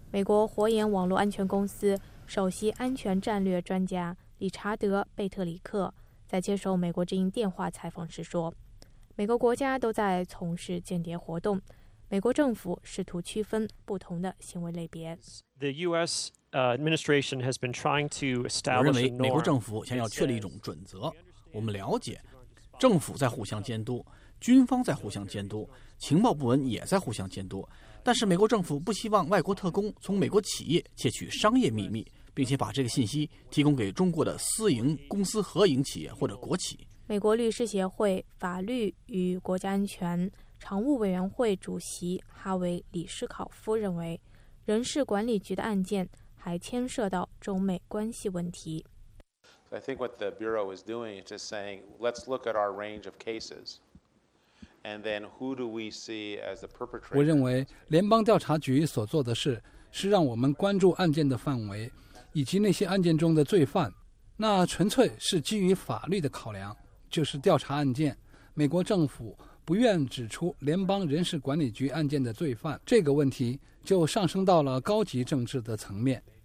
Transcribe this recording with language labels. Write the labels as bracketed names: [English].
[Chinese] 美国火眼网络安全公司首席安全战略专家理查德·贝特里克在接受美国之音电话采访时说，每个国家都在从事间谍活动，美国政府试图区分不同的行为类别。 [English] The US administration has been trying to establish [Chinese] 我认为美国政府想要确立一种准则，我们了解政府在互相监督，军方在互相监督，情报部门也在互相监督，但是美国政府不希望外国特工从美国企业窃取商业秘密，并且把这个信息提供给中国的私营公司、合营企业或者国企。美国律师协会法律与国家安全常务委员会主席哈维·李斯考夫认为，人事管理局的案件还牵涉到中美关系问题。 [English] I think what the bureau is doing is just saying, let's look at our range of cases, and then who do we see as the perpetrator? [Chinese] 我认为联邦调查局所做的事是让我们关注案件的范围，以及那些案件中的罪犯，那纯粹是基于法律的考量，就是调查案件。美国政府不愿指出联邦人事管理局案件的罪犯，这个问题就上升到了高级政治的层面。